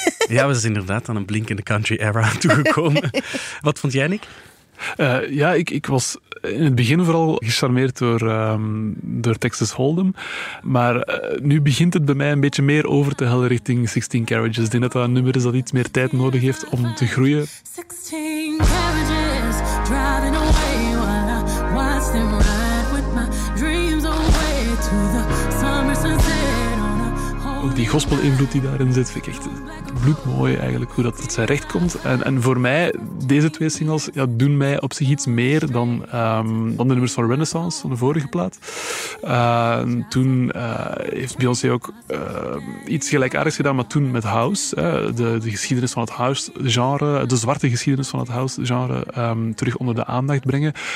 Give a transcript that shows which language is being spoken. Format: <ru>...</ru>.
<nl>Ja, we zijn inderdaad aan een blinkende country era toegekomen. Wat vond jij, Nick? Ik was in het begin vooral gecharmeerd door Texas Hold'em. Maar nu begint het bij mij een beetje meer over te hellen richting 16 Carriages. Ik denk dat een nummer is dat iets meer tijd nodig heeft om te groeien.</nl> <en>16 Carriages, driving away while I watch them ride with my dreams away to the summer sunset.</en> <nl>Ook die gospel-invloed die daarin zit, vind ik echt bloedmooi eigenlijk, hoe dat tot zijn recht komt. En voor mij, deze twee singles doen mij op zich iets meer dan de nummers van Renaissance, van de vorige plaat. Toen heeft Beyoncé ook iets gelijkaardigs gedaan, maar toen met House, de geschiedenis van het House-genre, de zwarte geschiedenis van het House-genre, terug onder de aandacht brengen.</nl>